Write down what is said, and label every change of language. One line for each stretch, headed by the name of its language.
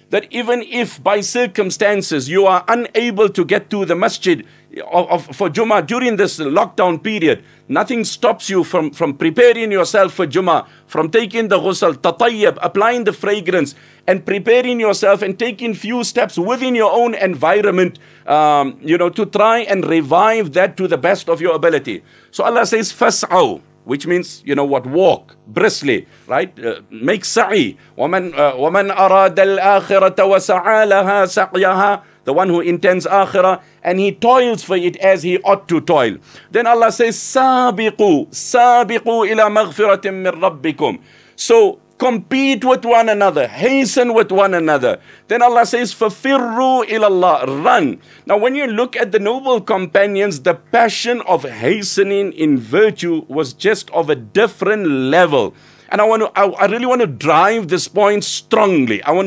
English: that even if by circumstances you are unable to get to the masjid for Jummah during this lockdown period, nothing stops you from preparing yourself for Jummah, from taking the ghusl, tatayyab, applying the fragrance, and preparing yourself and taking few steps within your own environment, to try and revive that to the best of your ability. So Allah says, fas'aw, which means, you know what, walk, briskly, right? Make sa'i.
Arabic: وَمَنْ أَرَادَ الْآخِرَةَ وَسَعَى لَهَا سَعْيَهَا.
English: The one who intends akhirah, and he toils for it as he ought to toil. Then Allah says,
Arabic: سَابِقُوا إِلَى مَغْفِرَةٍ مِّن رَبِّكُمْ.
English: So compete with one another, hasten with one another. Then Allah says,
Arabic: فَفِرُّوا إِلَى اللَّهِ.
English: Run. Now when you look at the noble companions, the passion of hastening in virtue was just of a different level. And I really want to drive this point strongly.